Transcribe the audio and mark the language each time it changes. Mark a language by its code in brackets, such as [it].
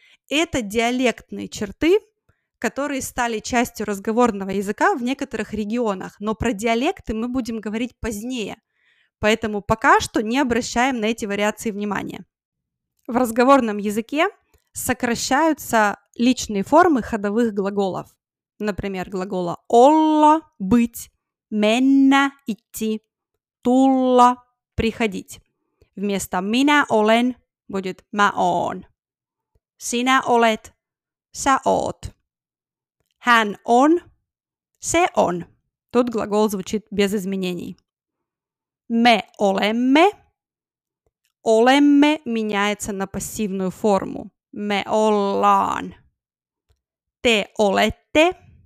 [ru] Это диалектные черты, которые стали частью разговорного языка в некоторых регионах, но про диалекты мы будем говорить позднее, поэтому пока что не обращаем на эти вариации внимания. В разговорном языке сокращаются личные формы ходовых глаголов, например, глагола «olla» – «быть», «mennä» – «идти», «tulla» – «приходить». Вместо [fi] «minä olen» [ru] будет [fi] «mä oon», «sinä olet» – «sä oot». Hän on, se on. [ru] Тут глагол звучит без изменений. [fi] Me olemme. [ru] Olemme меняется на пассивную форму. [fi] Me ollaan. Te olette.